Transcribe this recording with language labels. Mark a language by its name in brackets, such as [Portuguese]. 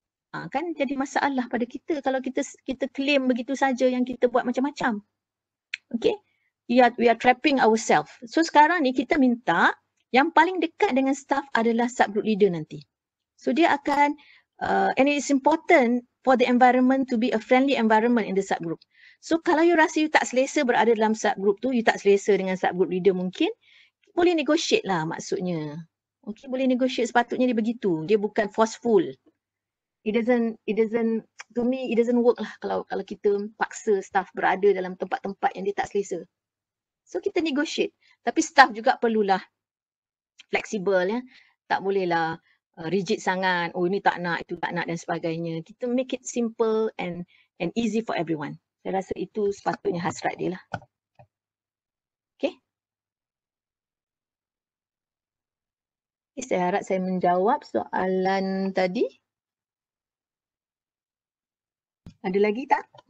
[Malay] Kan jadi masalah pada kita kalau kita claim begitu saja yang kita buat macam-macam. Okay? [English] We are trapping ourselves. [Malay] So sekarang ni kita minta yang paling dekat dengan staff adalah subgroup leader nanti. So dia akan, [English] and it's important for the environment to be a friendly environment in the subgroup. [Malay] So kalau you rasa you tak selesa berada dalam subgroup tu, you tak selesa dengan subgroup leader mungkin, boleh negotiate lah maksudnya. Okay, boleh negotiate, sepatutnya dia begitu. Dia bukan forceful. [English] It doesn't work [Malay] lah kalau kita paksa staff berada dalam tempat-tempat yang dia tak selesa. So kita negotiate. Tapi staff juga perlulah flexible ya. Tak bolehlah rigid sangat, oh ini tak nak, itu tak nak dan sebagainya. [English] Kita make it simple and easy for everyone. [Malay] Saya rasa itu sepatutnya hasrat dia lah. Okay. Okay, saya harap saya menjawab soalan tadi. Ada lagi tak?